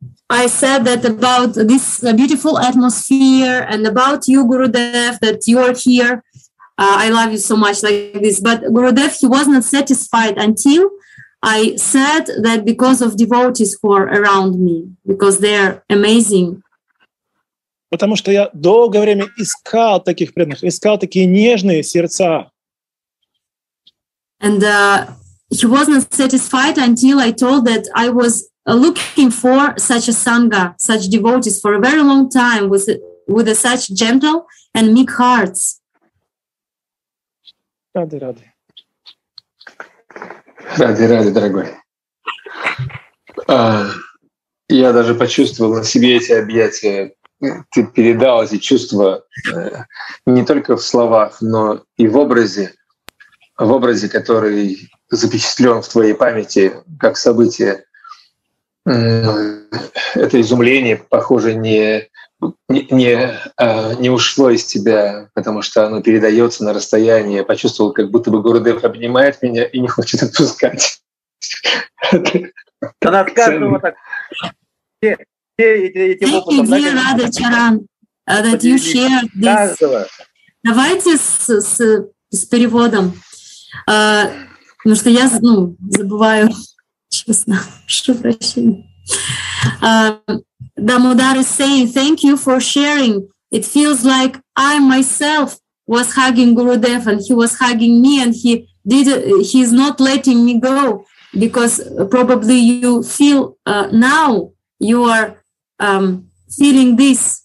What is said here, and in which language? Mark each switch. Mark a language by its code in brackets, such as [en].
[en] I said that about this beautiful atmosphere and about you, Gurudev, that you are here. I love you so much like this. But Gurudev, he was not satisfied until I said that because of devotees who are around me, because they are amazing. [ru] Потому что я долгое время искал таких преданных, искал такие нежные сердца. [en] And he was not satisfied until I told that I was looking for such a sangha, such devotees for a very long time with such gentle and meek hearts. [ru] Рады, рады. Рады, рады, дорогой. Я даже почувствовал на себе эти объятия. Ты передал эти чувства не только в словах, но и в образе, который запечатлен в твоей памяти как событие. Это изумление, похоже, не ушло из тебя, потому что оно передается на расстояние. Я почувствовал, как будто бы Гурудев обнимает меня и не хочет отпускать. Она от каждого так. [en] Thank you, dear Radha Charan, that you shared this. [ru] Давайте с переводом. Потому что я забываю, честно, прошу прощения. [en] Дамодар is saying, thank you for sharing. It feels like I myself was hugging Gurudev, and he was hugging me, and he's not letting me go, because probably you feel now you are feeling this.